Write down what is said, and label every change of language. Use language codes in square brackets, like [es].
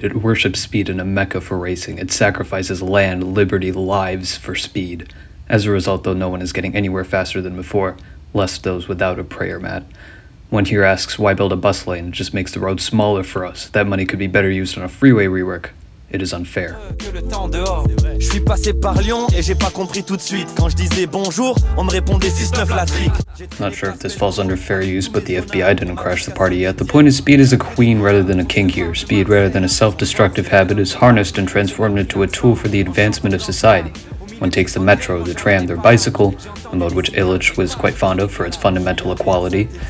[en] It worships speed in a mecca for racing. It sacrifices land, liberty, lives for speed. As a result, though, no one is getting anywhere faster than before, lest those without a prayer mat. One here asks, why build a bus lane? It just makes the road smaller for us. That money could be better used on a freeway rework. It is unfair. [fr] Je suis passé par Lyon et j'ai pas compris tout de suite. Quand je disais bonjour, on me répondait 6-9 la trique. [en] Not sure if this falls under fair use, but the FBI didn't crash the party yet. The point is, speed is a queen rather than a king here. Speed, rather than a self-destructive habit, is harnessed and transformed into a tool for the advancement of society. One takes the metro, the tram, their bicycle, a mode which Illich was quite fond of for its fundamental equality.